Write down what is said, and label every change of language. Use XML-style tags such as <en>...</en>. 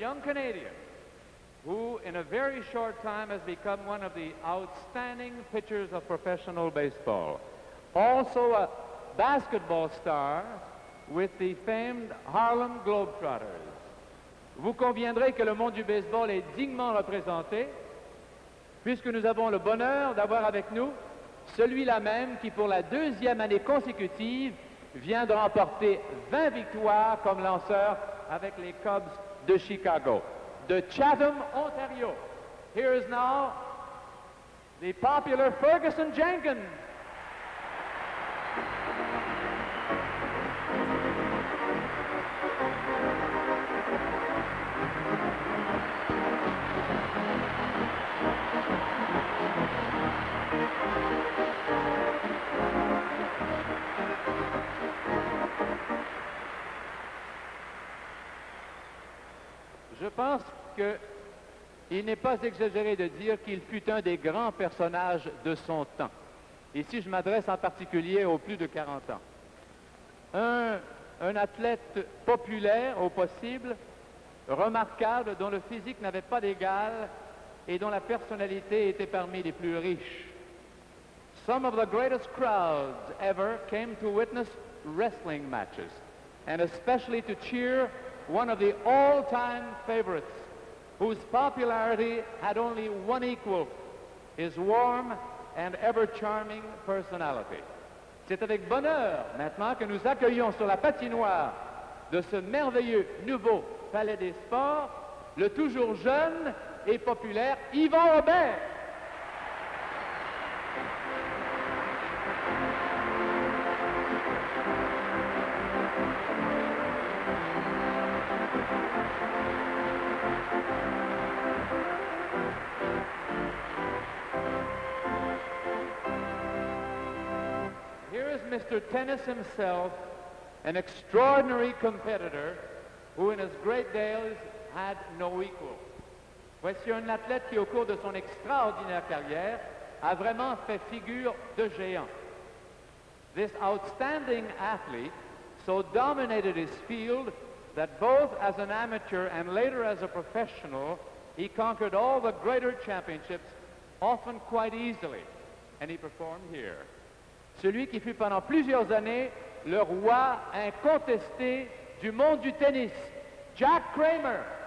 <en>young Canadian who in a very short time has become one of the outstanding pitchers of professional baseball. Also a basketball star with the famed Harlem Globetrotters.</en> <fr>Vous conviendrez que le monde du baseball est dignement représenté puisque nous avons le bonheur d'avoir avec nous celui-là même qui, pour la deuxième année consécutive, vient de remporter 20 victoires comme lanceur avec les Cubs de Chicago.</fr> <en>De Chatham, Ontario, here is now the popular Ferguson Jenkins.</en> <fr>Je pense qu'il n'est pas exagéré de dire qu'il fut un des grands personnages de son temps. Ici, je m'adresse en particulier aux plus de 40 ans. Un athlète populaire au possible, remarquable, dont le physique n'avait pas d'égal et dont la personnalité était parmi les plus riches.</fr> <en>Some of the greatest crowds ever came to witness wrestling matches, and especially to cheer one of the all-time favorites, whose popularity had only one equal, his warm and ever-charming personality.</en> <fr>C'est avec bonheur maintenant que nous accueillons sur la patinoire de ce merveilleux nouveau palais des sports le toujours jeune et populaire Yvan Aubert.</fr> <en>Mr. Tennis himself, an extraordinary competitor who in his great days had no equal.</en> <fr>Voici un athlète qui au cours de son extraordinaire carrière a vraiment fait figure de géant.</fr> <en>This outstanding athlete so dominated his field that both as an amateur and later as a professional, he conquered all the greater championships, often quite easily, and he performed here.</en> <fr>Celui qui fut pendant plusieurs années le roi incontesté du monde du tennis, Jack Cramer.</fr>